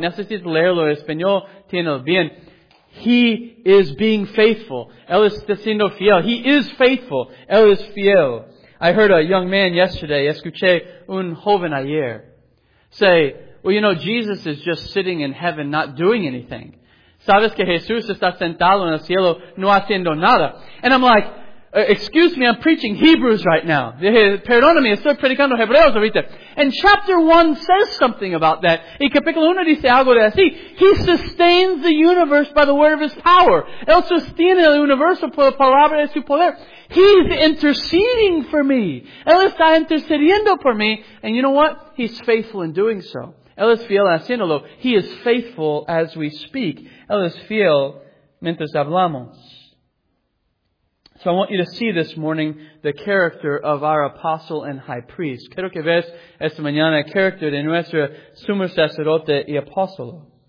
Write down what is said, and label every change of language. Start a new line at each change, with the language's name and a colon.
Spanish: Necesitas leerlo. El español tiene bien.
English: He is being faithful.
Spanish: Él está siendo fiel.
English: He is faithful.
Spanish: Él es fiel.
English: I heard a young man yesterday.
Spanish: Escuché un joven ayer.
English: Say, well, you know, Jesus is just sitting in heaven not doing anything.
Spanish: Sabes que Jesús está sentado en el cielo no haciendo nada.
English: And I'm like, excuse me, I'm preaching Hebrews right now.
Spanish: Perdóname, estoy predicando Hebreos ahorita.
English: And chapter 1 says something about that.
Spanish: Y capítulo 1 dice algo de así.
English: He sustains the universe by the word of His power.
Spanish: Él sostiene el universo por la palabra de su poder.
English: He's interceding for me.
Spanish: Él está intercediendo por mí.
English: And you know what? He's faithful in doing so.
Spanish: Él es fiel haciéndolo.
English: He is faithful as we speak.
Spanish: Él es fiel mientras hablamos.
English: So I want you to see this morning the character of our apostle and high priest.
Spanish: Quiero que veas esta mañana el carácter de nuestro sumo sacerdote y apóstolo.